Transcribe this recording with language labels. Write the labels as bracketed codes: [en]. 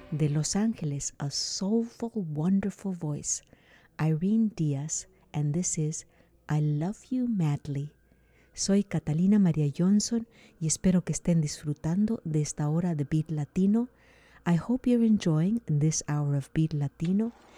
[en] Los Angeles, a soulful, wonderful voice, Irene Diaz, and this is I Love You Madly. [es] Soy Catalina María Johnson, y espero que estén disfrutando de esta hora de Beat Latino. [en] I hope you're enjoying this hour of Beat Latino.